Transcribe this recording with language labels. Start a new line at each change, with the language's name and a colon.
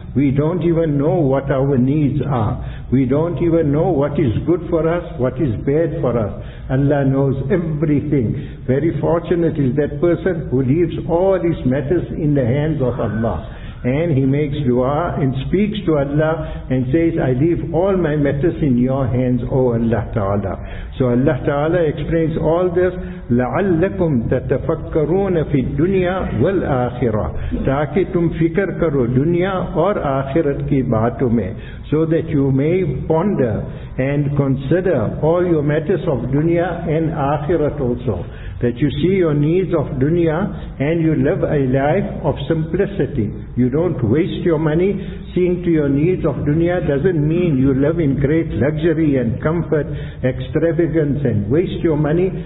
English: We don't even know what our needs are. We don't even know what is good for us, what is bad for us. Allah knows everything. Very fortunate is that person who leaves all his matters in the hands of Allah. and he makes dua and speaks to Allah and says, I leave all my matters in your hands, O Allah Ta'ala. So Allah Ta'ala explains all this,
Arabic: لَعَلَّكُمْ تَتَفَكَّرُونَ فِي الدُّنْيَا وَالْآخِرَةِ
Urdu: تَاكِ تُمْ فِكَرْ كَرُوا دُنْيَا اور آخِرَتْ کی بَاتُ مَنْ.
English: So that you may ponder and consider all your matters of dunya and akhirat also. That you see your needs of dunya and you live a life of simplicity. You don't waste your money. Seeing to your needs of dunya doesn't mean you live in great luxury and comfort, extravagance and waste your money.